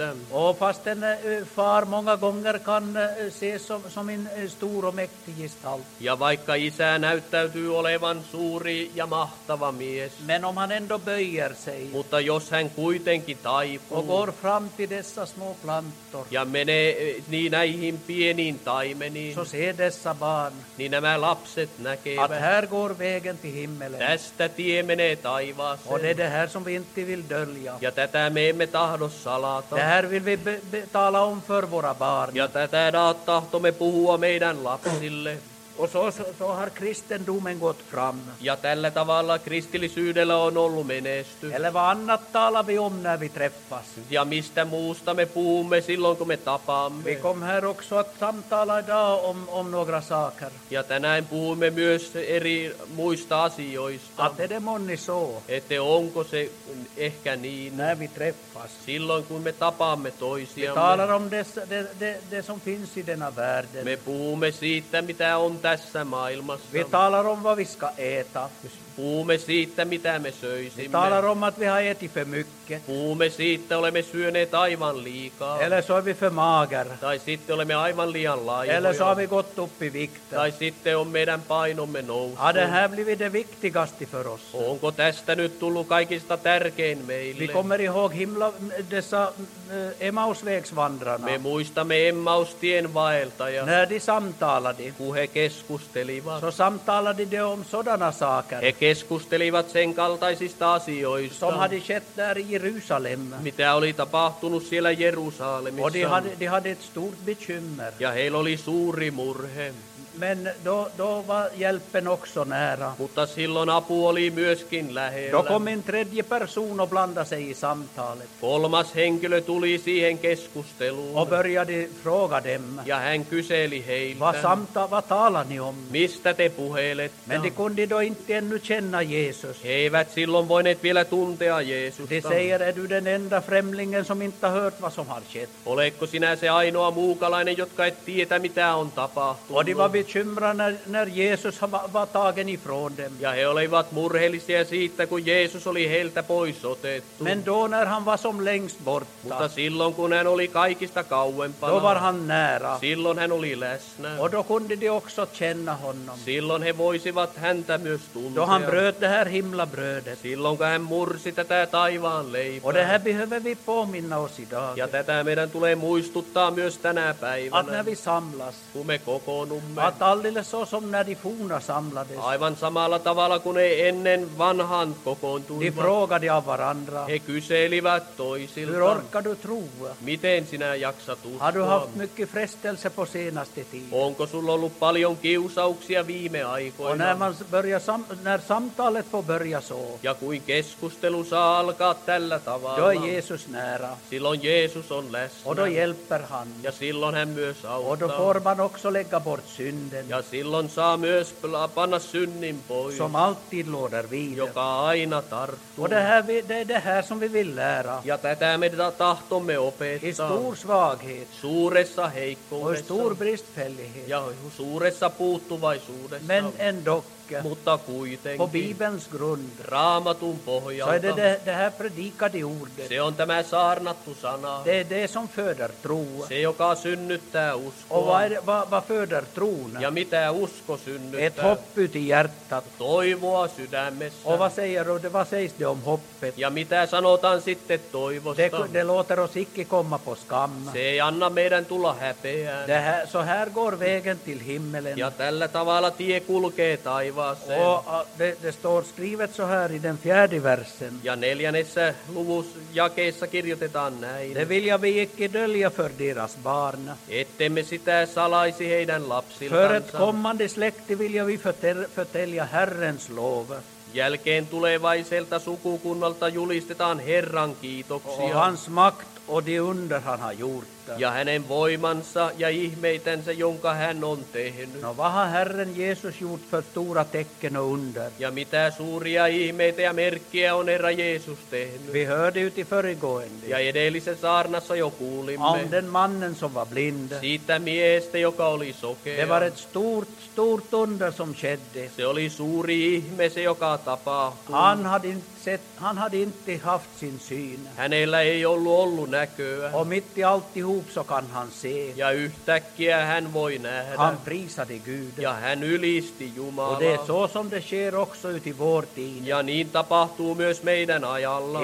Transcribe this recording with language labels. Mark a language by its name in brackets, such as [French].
[Swedish] Och fastän far många gånger kan ses som en stor och mäktig gestalt. [Finnish] Ja vaikka isä näyttäytyy olevan suuri ja mahtava mies. [Swedish] Men om han ändå böjer sig. [Finnish] Mutta jos hän kuitenkin taipuu. [Swedish] Och går fram till dessa små plantor. [Finnish] Ja menee niin näihin pieniin taimeniin. [Swedish] Så ser dessa barn. [Finnish] Niin nämä lapset näkevät. [Swedish] Att här går vägen till himmelen. [Finnish] Tästä tie menee taivaaseen. [Swedish] Och det är det här som vi inte vill dölja. [Finnish] Ja tätä me emme tahdo salata. [Swedish] Det här vill vi tala om för våra barn. [Finnish] Ja tätä tahtomme puhua meidän lapsille. [Swedish] Och så har kristendomen gått fram. [Finnish] Ja tällä tavalla kristillisyydellä on ollut menesty. [Swedish] Eller vad annat talar vi om när vi träffas? [Finnish] Ja mistä muusta me puhumme silloin kun me tapaamme? [Swedish] Vi kom här också att samtala idag om några saker. [Finnish] Ja tänään puhumme myös eri muista asioista. [Swedish] Att är det månne så? [Finnish] Ette onko se ehkä niin? [Swedish] När vi träffas. [Finnish] Silloin kun me tapaamme toisiamme. [Swedish] Vi talar om det som finns i denna världen. [Finnish] Me puhumme siitä mitä on tässä maailmassa. [Swedish] Vi talar om vad vi ska äta. [Finnish] Puhumme siitä, mitä me söisimme. [Swedish] Vi talar om att vi har ätit för mycket. [Finnish] Puhumme siitä, olemme syöneet aivan liikaa. [Swedish] Eller så är vi för mager. [Finnish] Tai sitten olemme aivan liian laihoja. [Swedish] Eller så har vi gått upp i vikt. [Finnish] Tai sitten on meidän painomme noussut. [Swedish] Har det här blivit det viktigaste för oss? [Finnish] Onko tästä nyt tullut kaikista tärkein meille? [Swedish] Vi kommer ihåg himla dessa Emmausvägsvandrarna. [Finnish] Me muistamme Emmaustien vaeltaja. [Swedish] När de samtalade. [Finnish] Kun he keskustelivat. [Swedish] Så samtalade de om sådana saker. [Finnish] He keskustelivat sen kaltaisista asioista. [Swedish] Som hade skett där i Jerusalem. [Finnish] Mitä oli tapahtunut siellä Jerusalemissa. [Swedish] Och de hade ett stort bekymmer. [Finnish] Ja heillä oli suuri murhe. [Swedish] Men då var hjälpen också nära. [Finnish] Mutta silloin apu oli myöskin lähellä. [Swedish] Då kom en tredje person och blandade sig i samtalet. [Finnish] Kolmas henkilö tuli siihen keskusteluun. [Swedish] Och började fråga dem. [Finnish] Ja hän kyseli heiltä. [Swedish] Vad talar ni om? [Finnish] Mistä te puhelette? [Swedish] Men de kunde då inte ännu känna Jesus. [Finnish] He eivät silloin voineet vielä tuntea Jeesusta. [Swedish] De säger, är du den enda främlingen som inte hört vad som har skett? [Finnish] Oletko sinä se ainoa muukalainen, jotka et tiedä, mitä on tapahtunut? [Swedish] Vi bekymrade när Jesus var tagen ifrån dem. [Finnish] Ja he olivat murheellisia siitä, kun Jeesus oli heiltä pois otettu. [Swedish] Men då när han var som längst borta. [Finnish] Mutta silloin, kun hän oli kaikista kauempana. [Swedish] Då var han nära. [Finnish] Silloin hän oli läsnä. [Swedish] Och då kunde de också känna honom. [Finnish] Silloin he voisivat häntä myös tuntea. [Swedish] Då han bröt det här himlabrödet. [Finnish] Silloin, kun hän mursi tätä taivaan leipää. [Swedish] Och det här behöver vi påminna oss idag. [Finnish] Ja tätä meidän tulee muistuttaa myös tänä päivänä. [Swedish] Att när vi samlas. [Finnish] Kun me kokoonnumme. [Swedish] Att alldeles så som när de forna samlades. [Finnish] Aivan samalla tavalla kun ei ennen vanhan kokoontui. [Swedish] De frågade av varandra. [Finnish] He kyselivät toisiltaan. [Swedish] Hur orkar du troa? [Finnish] Miten sinä jaksat uskoa? [Swedish] Har du haft mycket frestelse på senaste tiden? [Finnish] Onko sulla ollut paljon kiusauksia viime aikoina? [Swedish] Och när samtalet får börja så. [Finnish] Ja kuin keskustelu saa alkaa tällä tavalla. [Swedish] Då är Jesus nära. [Finnish] Silloin Jeesus on läsnä. [Swedish] Och då hjälper han. [Finnish] Ja silloin hän myös auttaa. [Swedish] Och då får man också lägga bort. [Finnish] Ja silloin saa myös panna synnin pois. [Swedish] Som alltid låter vidare. [Finnish] Joka aina tarttuu. [Swedish] Och det här som vi vill lära. [Finnish] Ja tätä me tahtomme opettaa. [Swedish] I stor svaghet. [Finnish] Suuressa heikkoudessa. [Swedish] Och stor bristfällighet. [Finnish] Ja suuressa puuttuvaisuudessa. [Swedish] Men ändå. [Finnish] Mutta kuitenkin. [Swedish] På Bibelns grund. [Finnish] Raamatun pohjalta. [Swedish] Så är det här predikade ordet. [Finnish] Se on tämä saarnattu sana. [Swedish] Det som föder tro. [Finnish] Se joka synnyttää uskoa. [Swedish] Och vad föder tron? [Finnish] Ja mitä usko synnyttää? [Swedish] Ett hopp ut i hjärtat. [Finnish] Toivoa sydämessä. [Swedish] Och vad säger du om hoppet? [Finnish] Ja mitä sanotaan sitten toivosta? [Swedish] Det låter oss icke komma på skam. [Finnish] Se ei anna meidän tulla häpeään. [Swedish] Så här går vägen till himmelen. [Finnish] Ja tällä tavalla tie kulkee taivaan. [Swedish] Det står skrivet så här i den fjärde versen. [Finnish] Ja neljännessä luvusjakeessa kirjoitetaan näin. [Swedish] Det vill jag icke dölja för deras barn. [Finnish] Ettemme sitä salaisi heidän lapsiltansa. [Swedish] För ett kommande släkte vill jag förtälja Herrens lov. [Finnish] Jälkeen tulevaiselta sukukunnalta julistetaan Herran kiitoksia. [Swedish] Och hans makt och de under han har gjort. [Finnish] Ja hänen voimansa ja ihmeitänsä, jonka hän on tehnyt. [Swedish] No vaha Herren Jeesus gjort för stora tecken och under. [Finnish] Ja mitä suuria ihmeitä ja merkkiä on Herra Jeesus tehnyt. [Swedish] Vi hörde ut i föregående. [Finnish] Ja edellisen saarnassa jo kuulimme. [Swedish] Om den mannen som var blind. [Finnish] Siitä miehestä, joka oli sokea. [Swedish] Det var ett stort under som skedde. [Finnish] Se oli suuri ihme se, joka tapahtui. [Swedish] Han hade inte haft sin syn. [Finnish] Hänellä ei ollut näköä. [Swedish] Och mitt i alltihop så kan han se. [Finnish] Ja yhtäkkiä hän voi nähdä. [Swedish] Han prisade Gud. [Finnish] Ja hän ylisti Jumalaa. [Swedish] Och det är så som det sker också ut i vår tid. [Finnish] Ja niin tapahtuu myös meidän ajalla.